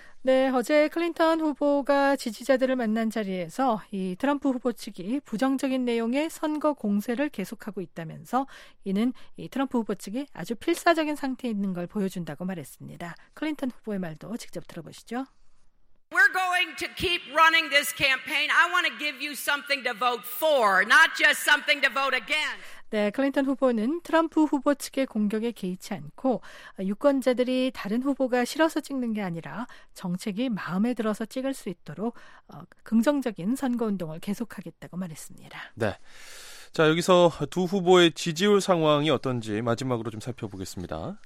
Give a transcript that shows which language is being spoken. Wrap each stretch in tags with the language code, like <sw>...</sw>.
<ko>네, 어제 클린턴 후보가 지지자들을 만난 자리에서 이 트럼프 후보 측이 부정적인 내용의 선거 공세를 계속하고 있다면서 이는 이 트럼프 후보 측이 아주 필사적인 상태에 있는 걸 보여준다고 말했습니다. 클린턴 후보의 말도 직접 들어보시죠.</ko> <en>We're going to keep running this campaign. I want to give you something to vote for, not just something to vote against.</en> <ko>네, 클린턴 후보는 트럼프 후보 측의 공격에 개의치 않고 유권자들이 다른 후보가 싫어서 찍는 게 아니라 정책이 마음에 들어서 찍을 수 있도록 긍정적인 선거운동을 계속하겠다고 말했습니다. 네, 자 여기서 두 후보의 지지율 상황이 어떤지 마지막으로 좀 살펴보겠습니다.</ko>